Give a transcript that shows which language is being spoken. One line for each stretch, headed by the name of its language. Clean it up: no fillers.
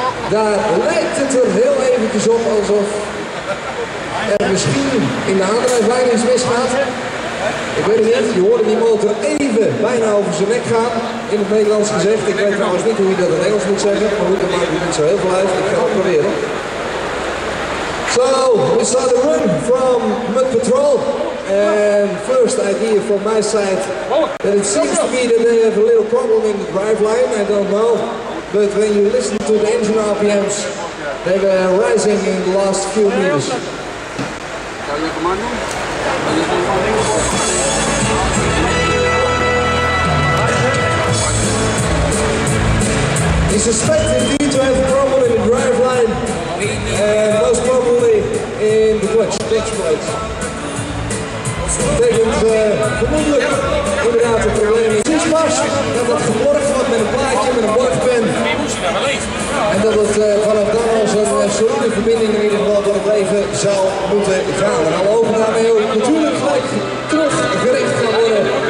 Dutch: Daar lijkt het er heel eventjes op alsof er misschien in de aandrijflijn iets misgaat. Ik weet het niet, je hoorde die motor even bijna over zijn nek gaan, in het Nederlands gezegd. Ik weet trouwens niet hoe je dat in Engels moet zeggen, maar goed, dat maakt het niet zo heel veel uit. Ik ga het proberen.
English: So, we start a run from Mud Patrol. And first idea from my side, that it seems to me that they have a little problem in the driveline, I don't know. But when you listen to the engine RPMs, they were rising in the last few meters. He suspected indeed to have a problem in the driveline, and most probably in the clutch, ditch plate.
Dutch: Betekent vermoedelijk inderdaad een probleem in Sitchpas. Dat dat geborgd wordt met een plaatje, met een bordpen. En dat het vanaf dan al zo'n solide verbinding in ieder geval door het leven zou moeten gaan. En alle ogen daarmee ook natuurlijk gelijk teruggericht gaan worden.